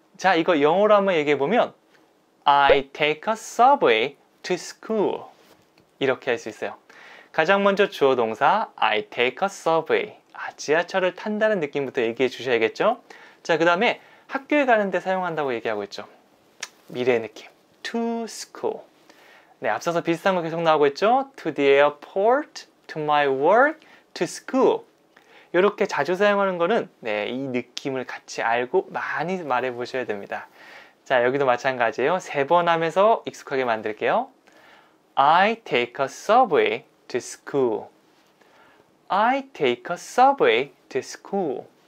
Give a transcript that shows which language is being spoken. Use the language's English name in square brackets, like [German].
[Korean] 자, 이거 영어로 한번 얘기해 보면 [English] I take a subway to school. [Korean] 이렇게 할 수 있어요. 가장 먼저 주어 동사 [English] I take a subway. [Korean] 아, 지하철을 탄다는 느낌부터 얘기해 주셔야겠죠? 자, 그 다음에 학교에 가는데 사용한다고 얘기하고 있죠. 미래의 느낌. [English] To school. [Korean] 네, 앞서서 비슷한 거 계속 나오고 있죠? [English] To the airport, to my work, to school. [Korean] 이렇게 자주 사용하는 거는 네, 이 느낌을 같이 알고 많이 말해 보셔야 됩니다. 자, 여기도 마찬가지예요. 세 번 하면서 익숙하게 만들게요. [English] I take a subway to school. I take a subway to school.